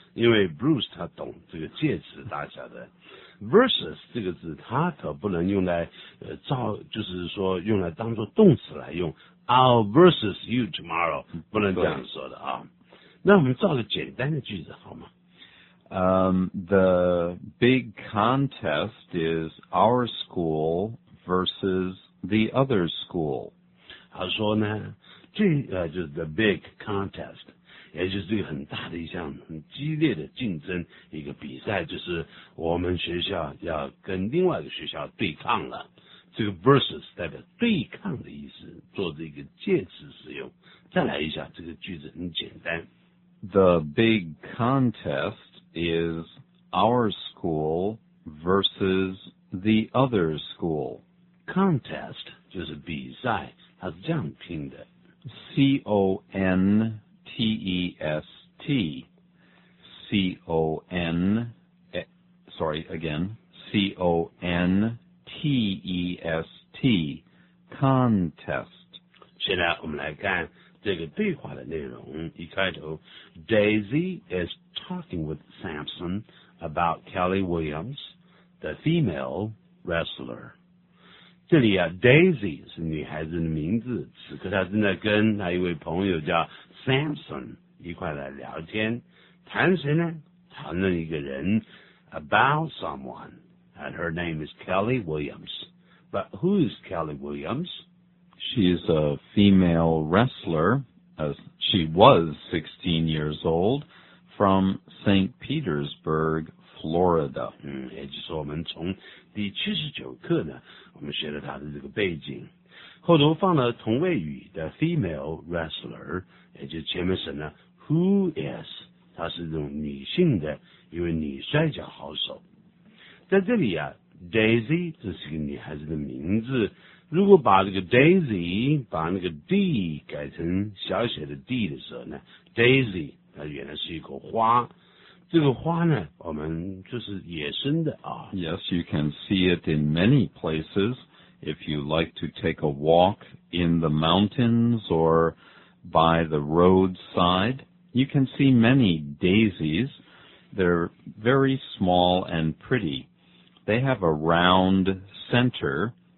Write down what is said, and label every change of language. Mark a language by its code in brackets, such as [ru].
[zh] 因为 Bruce 他懂这个介词大小的 versus 这个字他可不能用来照就是说用来当作动词来用 [en] I'll versus you tomorrow [zh] 不能这样说的啊那我们造个简单的句子好吗 [en] The big contest is our school versus the other school [zh] 他说呢这就是 [en] the big contest [zh] 也就是一个很大的一项很激烈的竞争一个比赛就是我们学校要跟另外一个学校对抗了这个 versus 代表对抗的意思做这个介词使用再来一下这个句子很简单 [en] The big contest is our school versus the other school. [zh] Contest 就是比赛，它是这样拼的。 [en] C-O-N-T-E-S-T. C-O-N-T-E-S-T. Contest. [zh] 现在我们来看这个对话的内容，一开头 [en] Daisy is talking with Samson about Kelly Williams, the female wrestler. [zh] 这里啊 Daisy 是女孩子的名字，此刻她正在跟她一位朋友叫 Samson 一块来聊天，谈谁呢？谈论一个人 [en] about someone, and her name is Kelly Williams. But who is Kelly Williams? She's a female wrestler, as she was 16 years old, from St. Petersburg, Florida. [zh] 也就是我们从第79课呢，我们学了她的这个背景。后头放了同位语的 female wrestler, 也就是前面是呢 who is, 她是这种女性的一位女摔角好手。在这里啊 Daisy, 这是一个女孩子的名字，如果把这个 Daisy 把那个 D 改成小写的 D 的时候呢 ，Daisy 它原来是一朵花，这个花呢，我们就是野生的啊。 [en] Yes, you can see it in many places. If you like to take a walk in the mountains or by the roadside, you can see many daisies. They're very small and pretty. They have a round center.